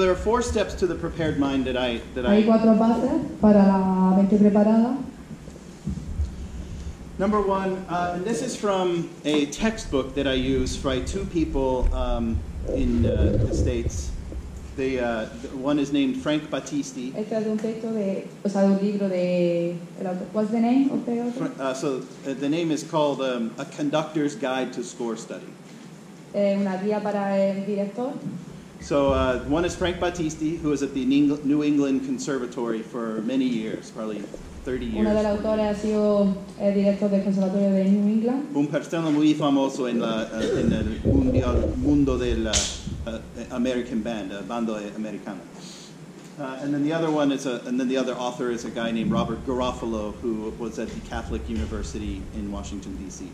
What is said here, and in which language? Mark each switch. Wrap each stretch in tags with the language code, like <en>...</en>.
<en>there are four steps to the prepared mind that I.</en> <es>Hay cuatro pasos para la mente preparada.</es> <en>Number one, and this is from a textbook that I use for two people in the States. The one is named Frank Battisti.</en> <es>Este es de un texto de, o sea, de un libro de.</es> <en>What's the name of the author? The name is called A Conductor's Guide to Score Study.</en> <es>Una guía para el director.</es> <en>So one is Frank Battisti, who was at the New England Conservatory for many years, probably 30 years.</en> <es>Uno de los autores ha sido el director del conservatorio de New England. Un persona muy famoso en el mundo del American banda americana.</es> <en>And then the other author is a guy named Robert Garofalo, who was at the Catholic University in Washington, D.C.</en>